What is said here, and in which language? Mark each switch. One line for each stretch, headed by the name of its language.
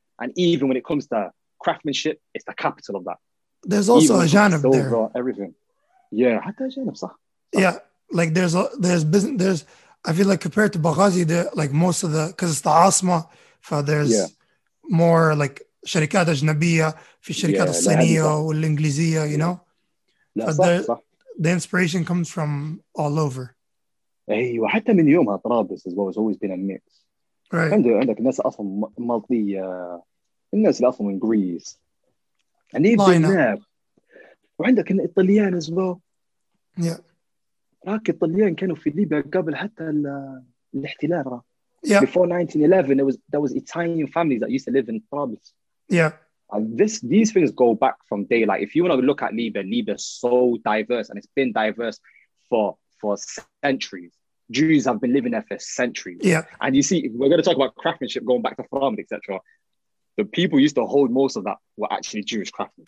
English: And even when it comes to craftsmanship, it's the capital of that. There's also even a janib there. Everything. Yeah,
Arabic: حتى جانب صح.
English: Yeah, like there's business. There's I feel like compared to Benghazi, like most of the because it's the Asma, so there's more like.
Arabic: شركات أجنبية في الشركات الصينية والإنجليزية,
English: you know? The inspiration comes from all over.
Arabic: أيوة, حتى من يومها طرابلس
English: as well, it's always been a mix. Right.
Arabic: عندك الناس أصلاً مالطية, الناس اللي أصلاً من غريس. وعندك الإيطاليان
English: as well. Yeah.
Arabic: راك الإيطاليان كانوا في ليبيا قبل حتى الاحتلال.
English: Yeah. Before 1911, there was Italian families that used to live in Trablus. Yeah, and these things go back from day. Like, if you want to look at Libya is so diverse, and it's been diverse for centuries. Jews have been living there for centuries. Yeah, and you see, we're going to talk about craftsmanship going back to farming, etc. The people used to hold most of that were actually Jewish craftsmen.